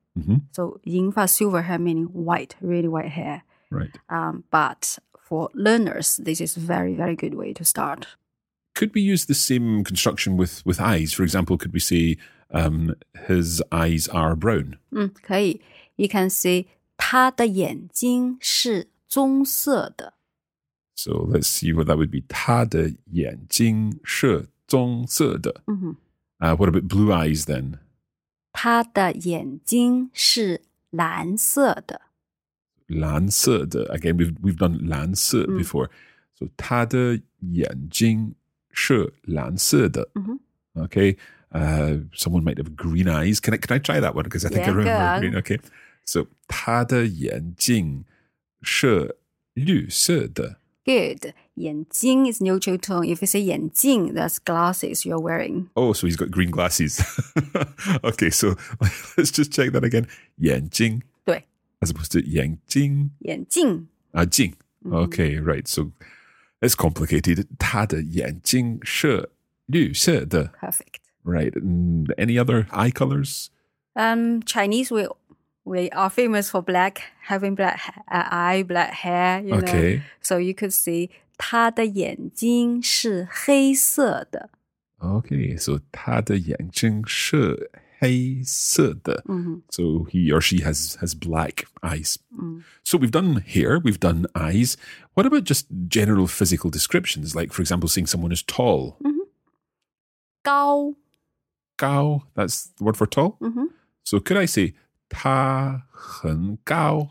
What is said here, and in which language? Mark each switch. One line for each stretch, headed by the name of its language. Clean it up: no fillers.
English: Mm-hmm. So 银发, silver hair, meaning white, really white hair. Right. But for learners, this is a very, very good way to start. Could we use the same construction with eyes? For example, could we say his eyes are brown?
Chinese: 可以.
English: You can say 他的眼睛是棕色的. So let's see what that would be.
Chinese: 他的眼睛是棕色的.
English: Mm-hmm. What about blue eyes then?
Chinese: 他的眼睛是蓝色的.
English: 蓝色的, again, we've done 蓝色 before.
Chinese: So 他的眼睛是蓝色的.
English: Mm-hmm. Okay, someone might have green eyes. Can I try that one? Because I think, yeah, I remember go on. Green.
Chinese: Okay, so 他的眼睛是绿色的.
English: Good. 眼睛 is neutral tone. If you say 眼睛, that's glasses you're wearing. Oh, so he's got green glasses. Okay, so let's just check that again.
Chinese: 眼睛.
English: As opposed to 眼睛.
Chinese: 眼睛.
English: Ah, 睛.Okay, mm-hmm. Right. So it's complicated.
Chinese: 他的眼睛是绿色的.
English: Perfect. Right. Any other eye colors? Chinese, we are famous for black, having black eye, black hair. You okay. Know? So you could say 他的眼睛是黑色的. Okay.
Chinese: So 他的眼睛是黑色的.
English: Mm-hmm. So he or she has black eyes. Mm. So we've done hair, we've done eyes. What about just general physical descriptions? Like, for example, seeing someone as tall. Mm-hmm. Gao. Gao, that's the word for tall. Mm-hmm. So could I say, 他很高?